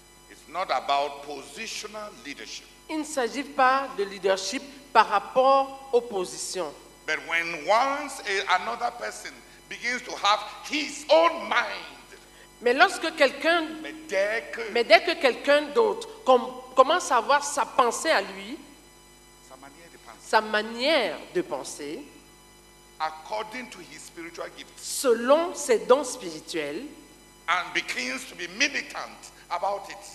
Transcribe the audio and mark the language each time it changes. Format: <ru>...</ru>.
<en>It's not about positional leadership.</en> <fr>Il ne s'agit pas de leadership par rapport aux positions.</fr> <en>But when once another person begins to have his own mind,</en> <fr>mais lorsque quelqu'un, mais dès que quelqu'un d'autre commence à avoir sa pensée à lui, sa manière de penser,</fr> <en>according to his spiritual gifts,</en> <fr>selon ses dons spirituels,</fr> <en>and begins to be militant about it,</en>